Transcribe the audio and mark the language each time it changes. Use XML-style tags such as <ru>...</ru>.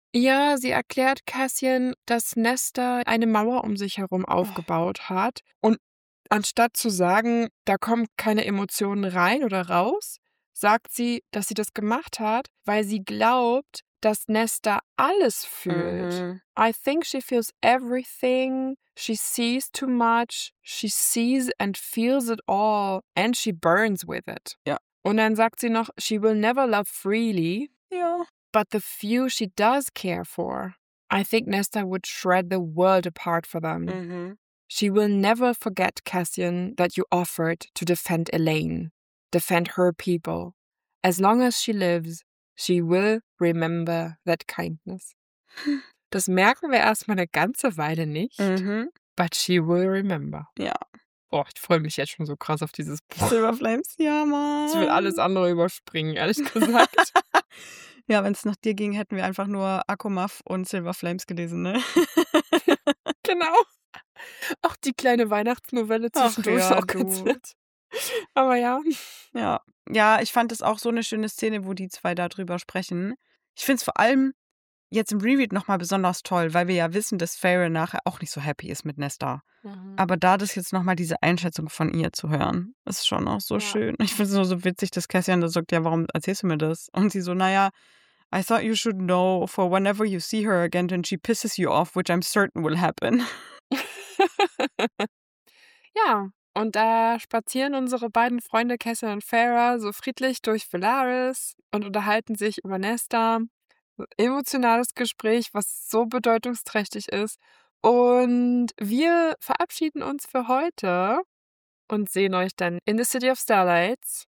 <de>Ja, sie erklärt Cassian, dass Nesta eine Mauer um sich herum aufgebaut hat. Und anstatt zu sagen, da kommen keine Emotionen rein oder raus, sagt sie, dass sie das gemacht hat, weil sie glaubt, dass Nesta alles fühlt. Mhm.</de> <en>I think she feels everything. She sees too much. She sees and feels it all. And she burns with it.</en> <de>Ja. Und dann sagt sie noch,</de> <en>she will never love freely.</en> <de>Ja.</de> <en>But the few she does care for, I think Nesta would shred the world apart for them.</en> <de>Mhm.</de> <en>She will never forget, Cassian, that you offered to defend Elaine. Defend her people. As long as she lives, she will remember that kindness.</en> <de>Das merken wir erstmal eine ganze Weile nicht. Mm-hmm.</de> <en>But she will remember.</en> <de>Ja. Boah, ich freue mich jetzt schon so krass auf dieses Buch. Silver Flames, ja, Mann. Ich will alles andere überspringen, ehrlich gesagt. Ja, wenn es nach dir ging, hätten wir einfach nur Akkumaff und Silver Flames gelesen, ne? Genau. Auch die kleine Weihnachtsnovelle zwischendurch. Ach, ja, auch ganz nett. Aber ja. Ja. Ja, ich fand es auch so eine schöne Szene, wo die zwei darüber sprechen. Ich finde es vor allem jetzt im Reread nochmal besonders toll, weil wir ja wissen, dass Feyre nachher auch nicht so happy ist mit Nesta. Mhm. Aber da das jetzt nochmal diese Einschätzung von ihr zu hören, ist schon auch so schön. Ich finde es nur so witzig, dass Cassian da sagt, ja, warum erzählst du mir das? Und sie so, naja,</de> <en>I thought you should know, for whenever you see her again, then she pisses you off, which I'm certain will happen.</en> <de>Ja. Und da spazieren unsere beiden Freunde Cassian und Farah so friedlich durch Velaris und unterhalten sich über Nesta. Emotionales Gespräch, was so bedeutungsträchtig ist. Und wir verabschieden uns für heute und sehen euch dann in the City of Starlights.</de>